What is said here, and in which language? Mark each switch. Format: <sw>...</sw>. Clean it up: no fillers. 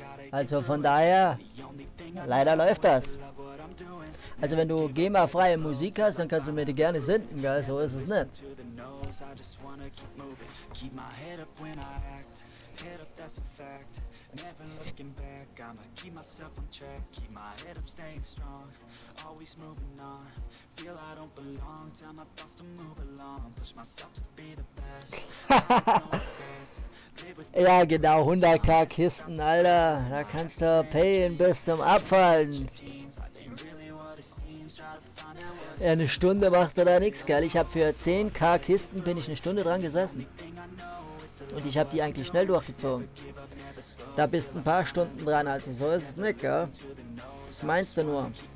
<de>Also von daher, leider läuft das. Also wenn du GEMA-freie Musik hast, dann kannst du mir die gerne senden, gell? So ist es nicht.</de> <en>I just wanna keep moving, keep my head up when I act. Head up, that's a fact. Never looking back, I'ma keep myself on track. Keep my head up, staying strong. Always moving on. Feel I don't belong, tell my thoughts to move along. Push myself to be the best.</en> <de>Ja genau, 100k Kisten, Alter. Da kannst du payen bis zum Abfallen. Ja, eine Stunde machst du da nichts, gell? Ich hab für 10k Kisten bin ich eine Stunde dran gesessen. Und ich hab die eigentlich schnell durchgezogen. Da bist ein paar Stunden dran, also so ist es nicht, gell? Das meinst du nur.</de>